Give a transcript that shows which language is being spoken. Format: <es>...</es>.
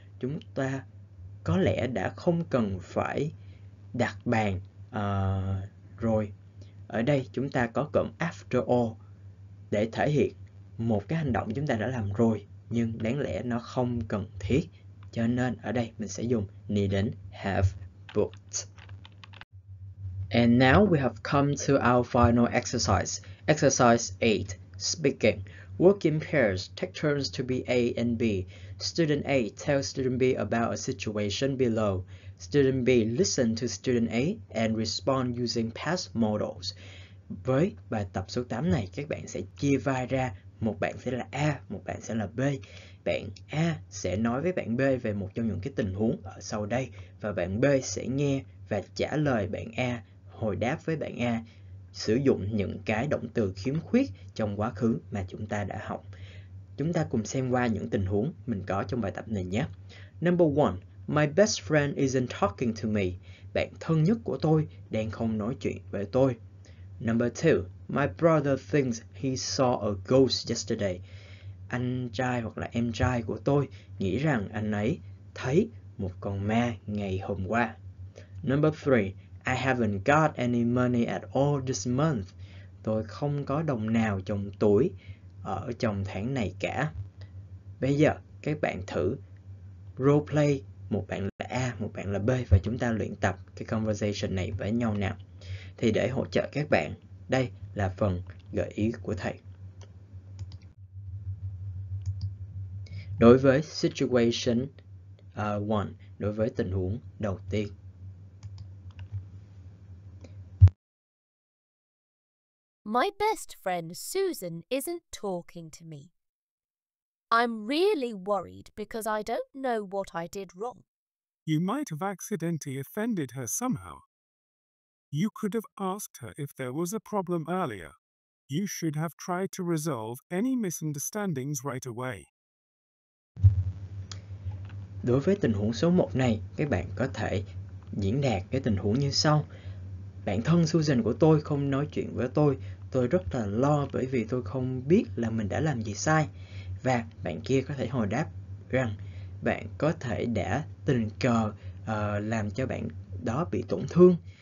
<vi>Chúng ta có lẽ đã không cần phải đặt bàn rồi. Ở đây chúng ta có cụm after all để thể hiện một cái hành động chúng ta đã làm rồi, nhưng đáng lẽ nó không cần thiết. Cho nên ở đây mình sẽ dùng needn't have booked.</vi> <en>And now we have come to our final exercise. Exercise 8. Speaking. Work in pairs. Take turns to be A and B. Student A, tell student B about a situation below. Student B, listen to student A and respond using past models.</en> <vi>Với bài tập số 8 này, các bạn sẽ chia vai ra. Một bạn sẽ là A, một bạn sẽ là B. Bạn A sẽ nói với bạn B về một trong những cái tình huống ở sau đây. Và bạn B sẽ nghe và trả lời bạn A, hồi đáp với bạn A. Sử dụng những cái động từ khiếm khuyết trong quá khứ mà chúng ta đã học. Chúng ta cùng xem qua những tình huống mình có trong bài tập này nhé.</vi> <en>Number 1. My best friend isn't talking to me.</en> <vi>Bạn thân nhất của tôi đang không nói chuyện với tôi.</vi> <en>Number 2. My brother thinks he saw a ghost yesterday.</en> <vi>Anh trai hoặc là em trai của tôi nghĩ rằng anh ấy thấy một con ma ngày hôm qua.</vi> <en>Number 3. I haven't got any money at all this month.</en> <vi>Tôi không có đồng nào trong túi ở trong tháng này cả. Bây giờ các bạn thử role play. Một bạn là A, một bạn là B và chúng ta luyện tập cái conversation này với nhau nào. Thì để hỗ trợ các bạn, đây là phần gợi ý của thầy. Đối với situation 1, đối với tình huống đầu tiên.</vi> <en>My best friend Susan isn't talking to me. I'm really worried because I don't know what I did wrong. You might have accidentally offended her somehow. You could have asked her if there was a problem earlier. You should have tried to resolve any misunderstandings right away.</en> <vi>Đối với tình huống số 1 này, các bạn có thể diễn đạt cái tình huống như sau. Bạn thân Susan của tôi không nói chuyện với tôi. Tôi rất là lo bởi vì tôi không biết là mình đã làm gì sai. Và bạn kia có thể hồi đáp rằng bạn có thể đã tình cờ làm cho bạn đó bị tổn thương.</vi>